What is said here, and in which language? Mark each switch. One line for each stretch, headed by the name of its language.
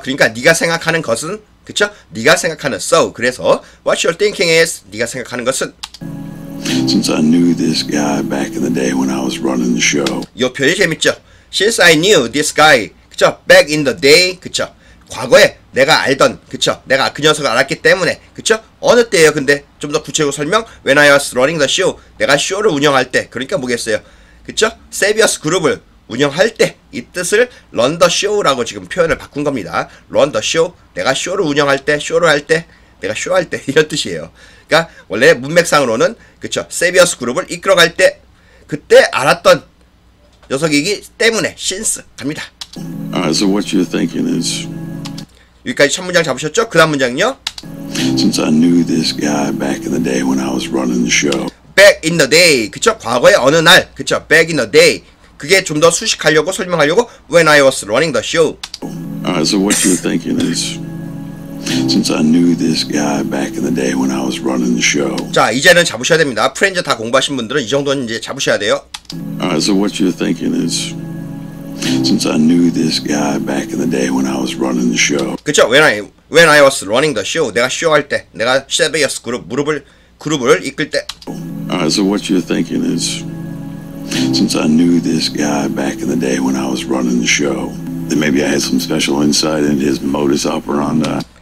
Korean: 그러니까 네가 생각하는 것은, 그쵸? 네가 생각하는 so. 그래서
English: what you thinking is?
Korean: 네가 생각하는 것은.
English: Since I knew this guy back in the day when I was running the show.
Korean: 요 표현이 재밌죠?
English: Since I knew this guy. 그쵸? Back in the day. 그쵸?
Korean: 과거에 내가 알던, 그쵸? 내가 그 녀석을 알았기 때문에, 그쵸? 어느 때예요, 근데? 좀 더 구체적으로 설명.
English: When I was running the show.
Korean: 내가 쇼를 운영할 때. 그러니까 뭐겠어요? 그쵸? 세비어스 그룹을 운영할 때. 이 뜻을
English: run the show
Korean: 라고 지금 표현을 바꾼 겁니다. Run the show. 내가 쇼를 운영할 때, 쇼를 할 때, 내가 쇼할 때. 이런 뜻이에요. 그러니까 원래 문맥상으로는, 그쵸? 세비어스 그룹을 이끌어갈 때. 그때 알았던 녀석이기 때문에. Since. 갑니다.
English: So what you're thinking is...
Korean: 여기까지 첫 문장 잡으셨죠? 그 다음 문장은요?
English: Since I knew this guy back in the day when I was running the show. Back in the day. 그쵸?
Korean: 과거의 어느 날.
English: 그쵸? Back in the day.
Korean: 그게 좀 더 수식하려고 설명하려고
English: when I was running the show. So what you're thinking is since I knew this guy back in the day when I was running the show.
Korean: 자, 이제는 잡으셔야 됩니다. 프렌즈 다 공부하신 분들은 이 정도는 이제 잡으셔야 돼요.
English: So what you're thinking is since I knew this guy back in the day when I was running the show. 그쵸? When I was running the show.
Korean: 내가 쇼할 때. 내가 세베이어스 그룹을 이끌 때.
English: So what you're thinking is Since I knew this guy back in the day when I was running the show, then maybe I had some special insight into his modus operandi.